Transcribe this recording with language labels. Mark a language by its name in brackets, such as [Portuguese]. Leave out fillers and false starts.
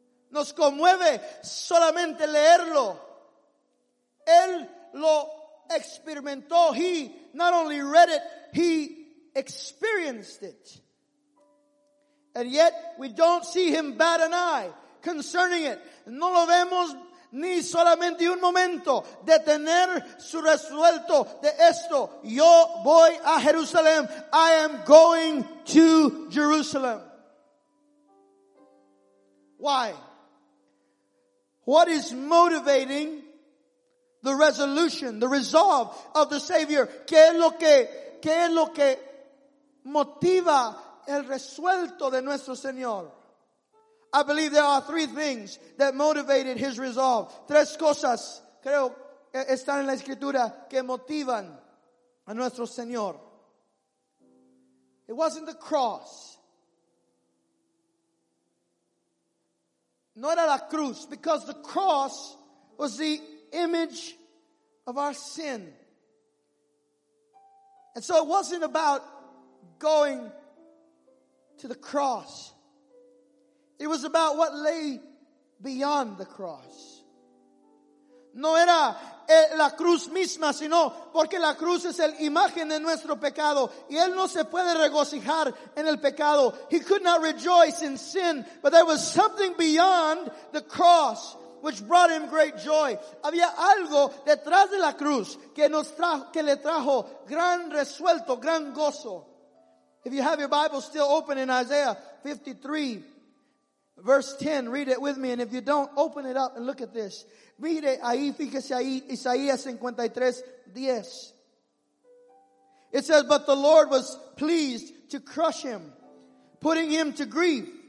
[Spanish] Nos conmueve solamente leerlo. Él lo experimentó. [English] He not only read it, he experienced it. And yet, we don't see him bat an eye concerning it. [Spanish] No lo vemos ni solamente un momento de tener su resuelto de esto. Yo voy a Jerusalén. [English] I am going to Jerusalem. Why? What is motivating the resolution, the resolve of the Savior? [Spanish] ¿Qué es lo que motiva el resuelto de nuestro Señor? [English] I believe there are three things that motivated his resolve. [Spanish] Tres cosas, creo, están en la Escritura que motivan a nuestro Señor. [English] It wasn't the cross. [Spanish] No era la cruz, [English] because the cross was the image of our sin. And so it wasn't about going to the cross. It was about what lay beyond the cross. [Spanish] No era la cruz misma, sino porque la cruz es la imagen de nuestro pecado, y él no se puede regocijar en el pecado. [English] He could not rejoice in sin, but there was something beyond the cross which brought him great joy. [Spanish] Había algo detrás de la cruz que nos trajo, que le trajo gran resuelto, gran gozo. [English] If you have your Bible still open in Isaiah 53, verse 10, read it with me. And if you don't, open it up and look at this. [Spanish] Mire ahí, fíjese ahí, Isaías 53:10. [English] It says, but the Lord was pleased to crush him, putting him to grief.